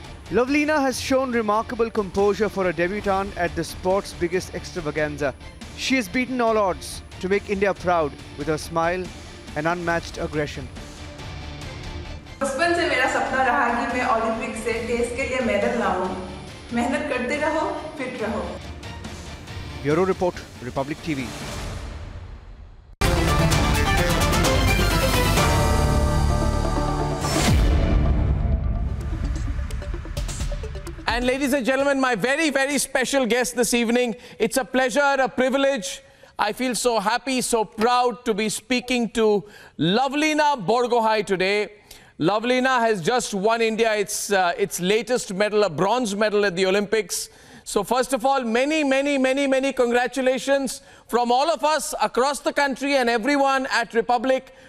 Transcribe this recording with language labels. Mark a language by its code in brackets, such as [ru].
[en] Lovlina has shown remarkable composure for a debutante at the sport's biggest extravaganza. She has beaten all odds to make India proud with her smile and unmatched aggression. [hi] बचपन से मेरा सपना रहा कि मैं Olympic से देश के लिए मेडल लाऊं. मेहनत करते रहो, फिट रहो. Bureau report, Republic TV. [en] And ladies and gentleman, my very very special guest this evening, it's a pleasure, a privilege. I feel so happy, so proud to be speaking to Lovlina Borgohain today. Lovlina has just won India its latest medal, a bronze medal at the Olympics. So first of all, many, many, many, many congratulations from all of us across the country and everyone at Republic.